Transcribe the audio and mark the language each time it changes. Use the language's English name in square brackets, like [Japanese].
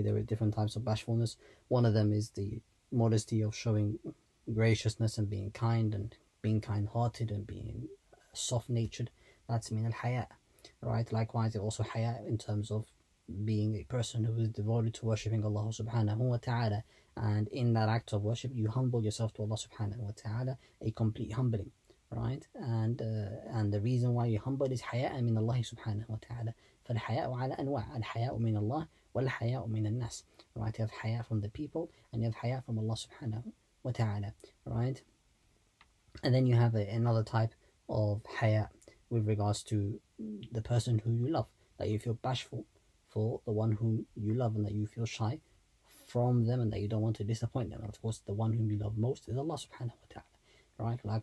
[English] There are different types of bashfulness. One of them is the modesty of showing graciousness and being kind and being kind-hearted and being soft-natured. That's min al-haya. Right, likewise, it also haya in terms of being a person who is devoted to worshipping Allah subhanahu wa ta'ala And in that act of worship, you humble yourself to Allah subhanahu wa ta'ala, a complete humbling, right? And the reason why you humble is [Arabic] حياء من الله [English] subhanahu wa ta'ala. [Arabic] فالحياء على أنواع الحياء من الله والحياء من الناس. [English] Right? You have حياء from the people and you have حياء from Allah subhanahu wa ta'ala, right? And then you have another type of حياء with regards to the person who you love, that you feel bashful for the one whom you love and that you feel shy from them and that you don't want to disappoint them. And of course, the one whom you love most is Allah subhanahu wa ta'ala, right?